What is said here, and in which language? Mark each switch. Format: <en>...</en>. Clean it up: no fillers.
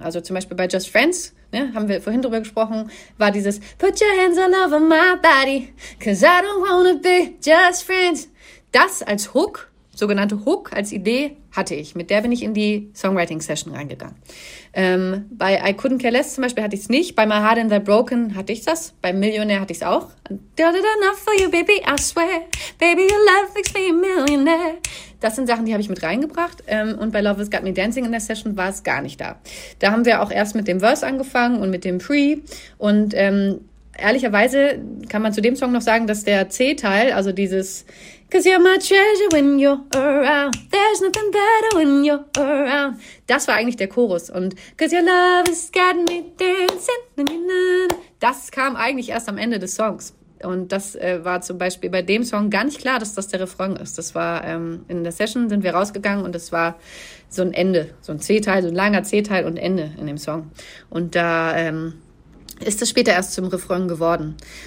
<de>Also zum Beispiel bei Just Friends, ne, haben wir vorhin drüber gesprochen, war dieses</de> <en>Put your hands all over my body, 'cause I don't wanna be just friends.</en> <de>Das als Hook, sogenannte Hook, als Idee hatte ich. Mit der bin ich in die Songwriting-Session reingegangen. Bei I Couldn't Care Less zum Beispiel hatte ich es nicht. Bei My Heart and They're Broken hatte ich das. Bei Millionaire hatte ich es auch.</de> <en>Enough for you, baby, I swear. Baby, your love makes me a millionaire.</en> <de>Das sind Sachen, die habe ich mit reingebracht. Und bei Love Has Got Me Dancing in der Session war es gar nicht da. Da haben wir auch erst mit dem Verse angefangen und mit dem Pre. Und ehrlicherweise kann man zu dem Song noch sagen, dass der C-Teil, also dieses</de> <en>'Cause you're my treasure when you're around. There's nothing better when you're around.</en> <de>Das war eigentlich der Chorus. Und</de> <en>'cause your love has got me dancing.</en> <de>Das kam eigentlich erst am Ende des Songs. Und das war zum Beispiel bei dem Song gar nicht klar, dass das der Refrain ist. Das war in der Session, sind wir rausgegangen und das war so ein Ende. So ein C-Teil, so ein langer C-Teil und Ende in dem Song. Und da ist das später erst zum Refrain geworden.</de>